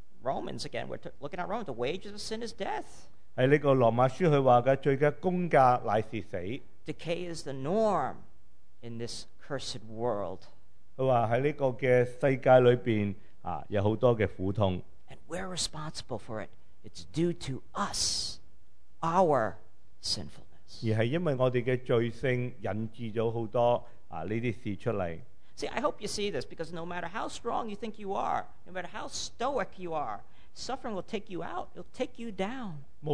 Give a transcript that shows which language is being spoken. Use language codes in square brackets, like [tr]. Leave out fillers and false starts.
[en] Romans again, we're looking at Romans. The wages of sin is death. [yue] 喺呢個羅馬書，佢話嘅罪嘅工價乃是死。 [en] Decay is the norm in this cursed world. [yue] 佢話喺呢個嘅世界裏邊，啊，有好多嘅苦痛。 [en] And we're responsible for it. It's due to us, our sinfulness. [yue] 而係因為我哋嘅罪性引致咗好多。 [en] See, I hope you see this, because no matter how strong you think you are, no matter how stoic you are, suffering will take you out, it'll take you down.